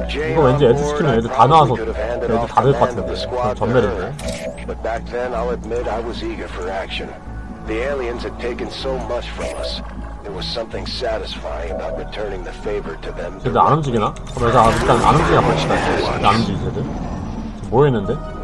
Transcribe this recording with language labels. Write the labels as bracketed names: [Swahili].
[Korean] 이거 왠지 애드 스킬은 애들 다 나와서 애들 다 될 것 같은데. 그럼 전멸인데. [English] But back then, I'll admit I was eager for action. The aliens had taken so much from us. There was something satisfying about returning the favor to them. [Korean] 근데 안 움직이나? 그러면 일단 안 움직이나 봅시다. 안 움직이지, 애들. 뭐 했는데?